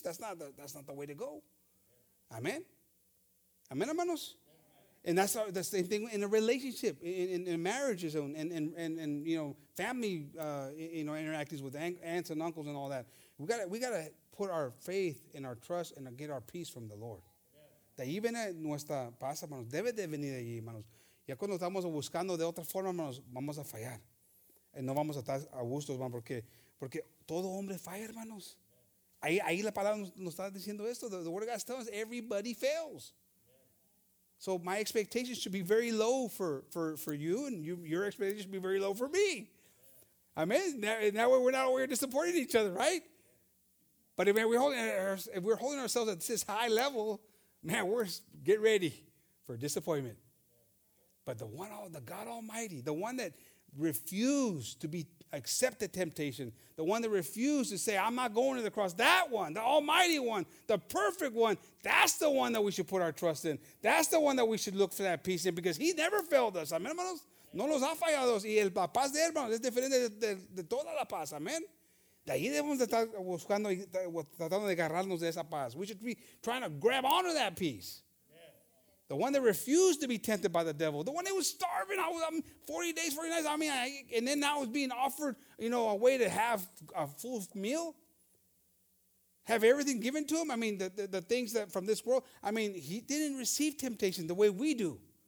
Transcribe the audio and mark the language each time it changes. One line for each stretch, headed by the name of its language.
English: That's not the way to go. Amen? Amen, hermanos? And that's the same thing in a relationship, in marriages, and you know, family, you know, interactions with aunts and uncles and all that. We gotta put our faith and our trust and get our peace from the Lord.
Spanish: De ahí viene nuestra paz, hermanos. Debe de venir de allí, hermanos. Ya cuando estamos buscando de otra forma, hermanos, vamos a fallar. Y no vamos a estar a gustos, hermanos, porque todo hombre falla, hermanos. Ahí la palabra nos está diciendo esto.
English: The word of God tells us everybody fails. So my expectations should be very low for you, and your expectations should be very low for me. Amen. That way we're disappointing each other, right? But if we're holding ourselves at this high level, man, we're get ready for disappointment. But the God Almighty, the one that refused to accept the temptation, the one that refused to say, I'm not going to the cross, that one, the Almighty One, the perfect one, that's the one that we should put our trust in. That's the one that we should look for that peace in, because he never failed us.
Spanish: Amen, hermanos? No nos ha fallado. Y el papá de hermanos es diferente de toda la paz. Amen. De ahí debemos de estar buscando y tratando de agarrarnos de esa paz.
English: We should be trying to grab onto that peace. The one that refused to be tempted by the devil. The one that was starving. I'm 40 days, 40 nights. I mean, and then now it's being offered, you know, a way to have a full meal. Have everything given to him. I mean, the things that from this world. I mean, he didn't receive temptation the way we do.